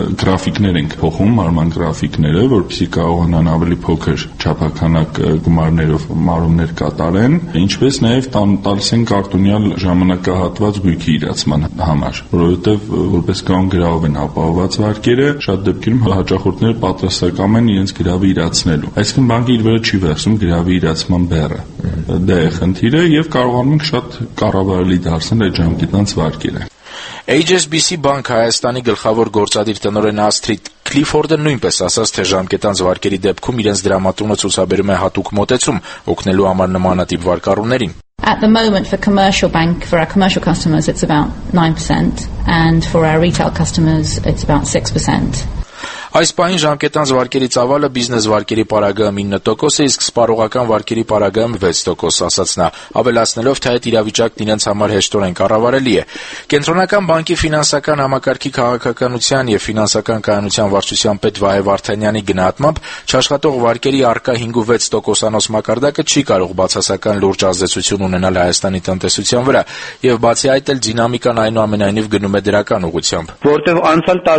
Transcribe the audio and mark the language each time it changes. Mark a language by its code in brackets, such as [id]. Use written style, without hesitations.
[hy] գրաֆիկներ ենք փոխում, մարման գրաֆիկները, որպեսզի կարողանան ավելի փոքր չափականակ գումարներով մարումներ կատարեն, ինչպես նաև տալիս ենք կարտոնյալ ժամանակահատված գույքի իրացման համար, որովհետև որպես կան գրավեն ապահովված վարկերը, շատ դեպքերում հաճախորդները պատրաստակամ են իրենց գրավի իրացնելու, այսինքն բանկը իր վրա չի վերցնում գրավի իրացման բեռը, դա է խնդիրը, և կարողանում ենք շատ կառավարելի դարձնել այդ ժամկետանց վարկերը։ HSBC Bank Հայաստանի գլխավոր գործադիր տնօրեն Աստրիդ Clifford-ը նույնպես ասաց, թե ժամկետան զվարկերի դեպքում իրենց դրամատունը ցուցաբերում է հատուկ մոտեցում օգնելու համար նմանատիպ վարկառուներին. [en] At the moment, for commercial bank, for our commercial customers, it's about 9%, and for our retail customers, it's about 6%. [hy] Այս պահին ժամկետան զվարկերի ծավալը բիզնես վարկերի պարագայում 9% է, իսկ սպառողական վարկերի պարագայում 6% ասաց նա, ավելացնելով, թե այդ իրավիճակն իրենց համար հեշտորեն կառավարելի է։ Կենտրոնական բանկի ֆինանսական համակարգի քաղաքականության և ֆինանսական կայունության վարչության պետ Վահե Վարդանյանի գնահատմամբ չաշխատող վարկերի առկա 5-6%-անոց մակարդակը չի կարող բացասական լուրջ ազդեցություն ունենալ Հայաստանի տնտեսության վրա, և բացի այդ էլ դինամիկան այնուամենայնիվ գնում է դրական ուղղությամբ։